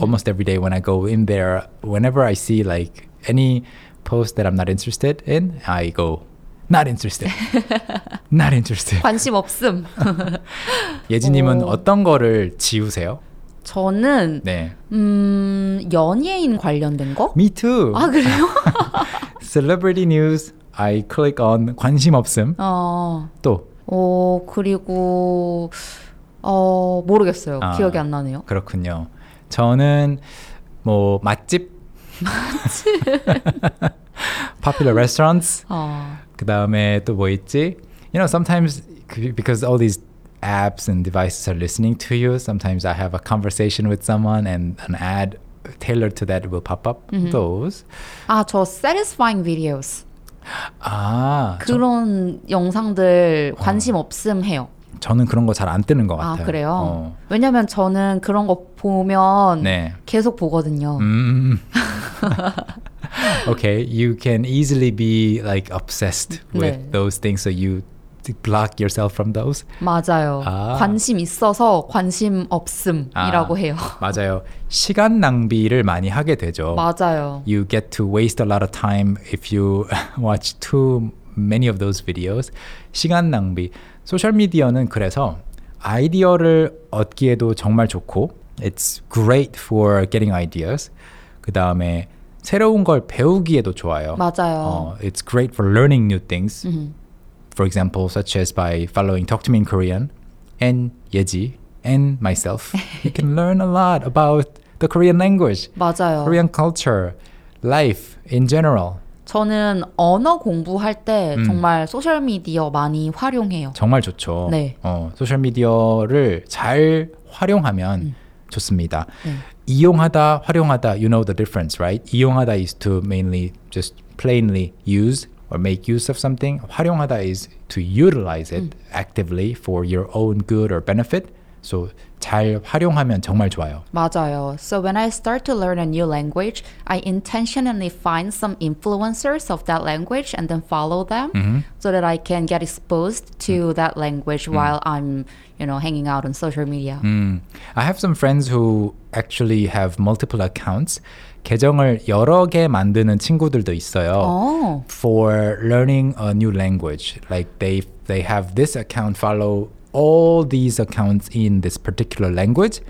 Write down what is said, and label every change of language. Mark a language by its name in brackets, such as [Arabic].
[English] almost every day when I go in there. Whenever I see like any post that I'm not interested in, I go not interested. not interested. [Korean] 관심 없음. 예지님은 어떤 거를 지우세요? 저는 네. 연예인 관련된 거? [English] Me too. [Korean] 아, 그래요? [English] Celebrity news, I click on [Korean] 관심 없음. 어. 또? 어, 그리고 어, 모르겠어요. 아, 기억이 안 나네요. 그렇군요. 저는 뭐 맛집? 맛집? [English] Popular restaurants. [Korean] 어. 그 다음에 또 뭐 있지? [English] You know, sometimes because all these apps and devices are listening to you. Sometimes I have a conversation with someone and an ad tailored to that will pop up. Mm-hmm. Those. [Korean] 아, 저 [English] satisfying videos. [Korean] 아, 그런 저, 영상들 관심 어. 없음 해요. 저는 그런 거 잘 안 뜨는 것 같아요. 아, 그래요? 어. 왜냐면 저는 그런 거 보면 네. 계속 보거든요. [English] okay, you can easily be like obsessed with [Korean] 네. [English] those things. So you block yourself from those? [Korean] 맞아요. 아. 관심 있어서 관심 없음이라고 아, 해요. 맞아요. 시간 낭비를 많이 하게 되죠. 맞아요. [English] You get to waste a lot of time if you watch too many of those videos. [Korean] 시간 낭비. 소셜미디어는 그래서 아이디어를 얻기에도 정말 좋고 [English] It's great for getting ideas. [Korean] 그 다음에 새로운 걸 배우기에도 좋아요. 맞아요. [English] 어, it's great for learning new things. Mm-hmm. For example, such as by following Talk to Me in Korean and 예지 and myself. You can learn a lot about the Korean language, [Korean] 맞아요. [English] Korean culture, life in general. [Korean] 저는 언어 공부할 때 정말 소셜미디어 많이 활용해요. 정말 좋죠. 네. 어, 소셜미디어를 잘 활용하면 좋습니다. [English] 네. 이용하다, 활용하다, you know the difference, right? 이용하다 is to mainly just plainly use. Or make use of something. 활용하다 is to utilize it actively for your own good or benefit. [Korean] So 잘 활용하면 정말 좋아요. 맞아요. [English] So when I start to learn a new language, I intentionally find some influencers of that language and then follow them so that I can get exposed to that language while I'm, you know, hanging out on social media. I have some friends who actually have multiple accounts. [Korean] 계정을 여러 개 만드는 친구들도 있어요. [English] Oh. For learning a new language. Like they have this account follow all these accounts in this particular language.